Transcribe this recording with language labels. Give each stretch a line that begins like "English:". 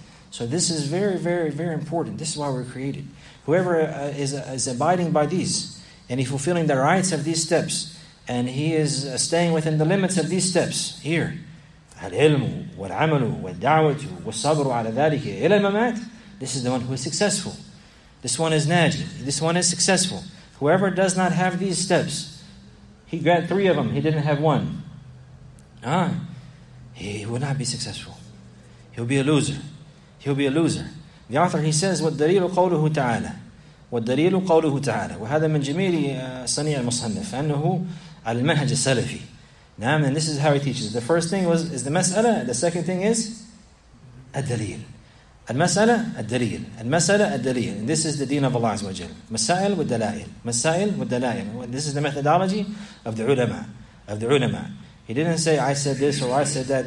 English: So this is very, very, very important. This is why we're created. Whoever is abiding by these, and he's fulfilling the rights of these steps, and he is staying within the limits of these steps here.
Arabic: العلم والعمل والدعوة والصبر على ذلك إلى الممات.
English: This is the one who is successful. This one is ناجي. This one is successful. Whoever does not have these steps, he got three of them. He didn't have one. He will not be successful. He'll be a loser. The author, he says,
Arabic: والدليل قوله تعالى. والدليل قوله تعالى. وهذا من جميل صنيع المصنف أنه على المنهج السلفي.
English: Now, and this is how he teaches. The first thing is the mas'ala. The second thing is al-dalil. Al-mas'ala, al-dalil. Al-mas'ala, al-dalil. And this is the deen of Allah Azza wa Jal. Masail wa dalail.
Arabic: Masail wa dalail.
English: This is the methodology of the ulama. He didn't say, I said this or I said that.